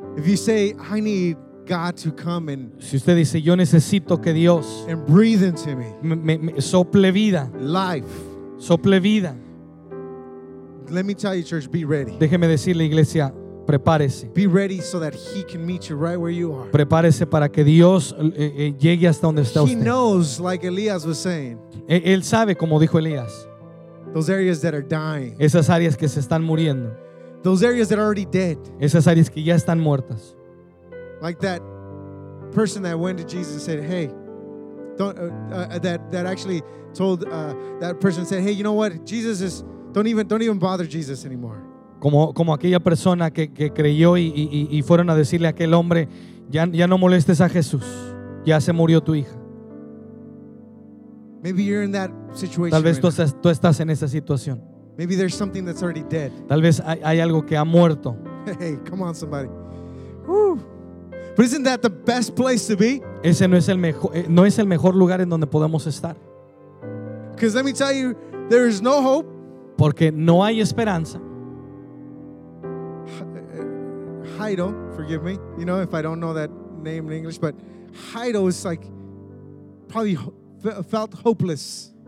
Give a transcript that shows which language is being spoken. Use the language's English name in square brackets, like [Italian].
[English] If you say I need God to come and [Spanish] si usted dice yo necesito que Dios [English] and breathe into me. [Spanish] Me sople vida. [English] Life. [Spanish] Sople vida. [English] Let me tell you, church, be ready. [Spanish] Déjeme decirle, iglesia, prepárese. [English] Be ready so that he can meet you right where you are. [Spanish] Prepárese para que Dios llegue hasta donde está usted. [English] He knows, like Elias was saying. [Spanish] Él sabe, como dijo Elías. [English] Those areas that are dying. [Spanish] Esas áreas que se están muriendo. [English] Those areas that are already dead. [Spanish] Esas áreas que ya están muertas. [English] Like that person that went to Jesus and said, hey, don't, that actually told that person said, hey, you know what? Jesus is Don't even bother Jesus anymore. [Spanish] Como aquella persona que creyó y fueron a decirle a aquel hombre, ya no molestes a Jesús. Ya se murió tu hija. [English] Maybe you're in that situation. [Spanish] Tal vez tú estás en esa situación. [English] Maybe there's something that's already dead. [Spanish] Tal vez hay algo que ha muerto. [English] Hey, come on somebody. Woo. But isn't that the best place to be? [Spanish] Ese no es el mejor lugar en donde podemos estar. [English] Because let me tell you, there is no hope. [Spanish] Porque no hay esperanza. [English] Jairo, forgive me, you know, if I don't know that name in English, but Jairo is like probably felt hopeless.